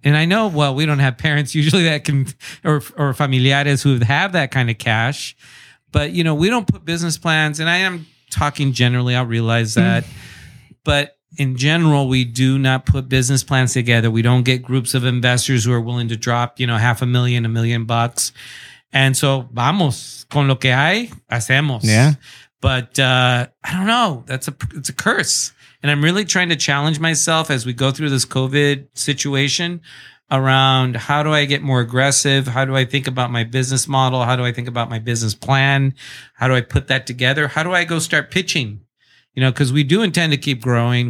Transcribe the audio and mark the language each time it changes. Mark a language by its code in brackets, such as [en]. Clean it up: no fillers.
[en] And I know, well, we don't have parents usually that can, or familiares who have that kind of cash. But, you know, we don't put business plans. And I am talking generally. I realize that. But in general, we do not put business plans together. We don't get groups of investors who are willing to drop, you know, $500,000, $1 million. And so, [es] vamos, con lo que hay, hacemos. [en] Yeah. But I don't know. It's a curse. And I'm really trying to challenge myself as we go through this COVID situation around how do I get more aggressive? How do I think about my business model? How do I think about my business plan? How do I put that together? How do I go start pitching? You know, because we do intend to keep growing.